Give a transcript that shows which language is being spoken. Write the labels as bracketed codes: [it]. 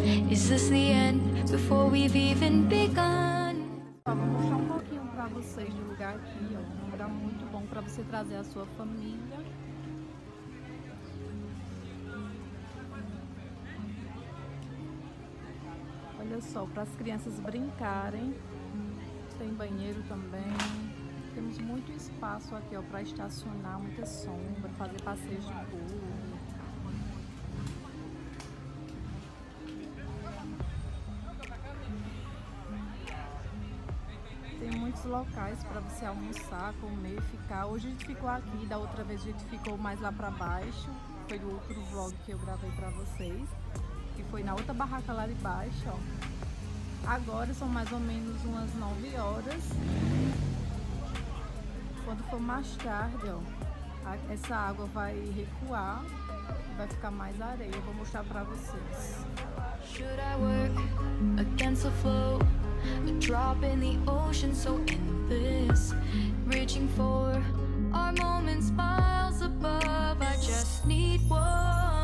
[en] Is this the end before we've even begun? [pt] Ó, vou mostrar um pouquinho pra vocês do lugar aqui, ó. Um lugar muito bom pra você trazer a sua família. Olha só, para as crianças brincarem, tem banheiro também. Temos muito espaço aqui para estacionar, muita sombra, fazer passeios de rua. Tem muitos locais para você almoçar, comer, ficar. Hoje a gente ficou aqui, da outra vez a gente ficou mais lá para baixo. Foi o outro vlog que eu gravei para vocês, que foi na outra barraca lá de baixo, ó. Agora são mais ou menos umas 9 horas. Quando for mais tarde, ó, essa água vai recuar e vai ficar mais areia. Vou mostrar pra vocês. [en] Should I work against the flow? A drop in the ocean, so endless. Reaching for our moments miles above. I just need one.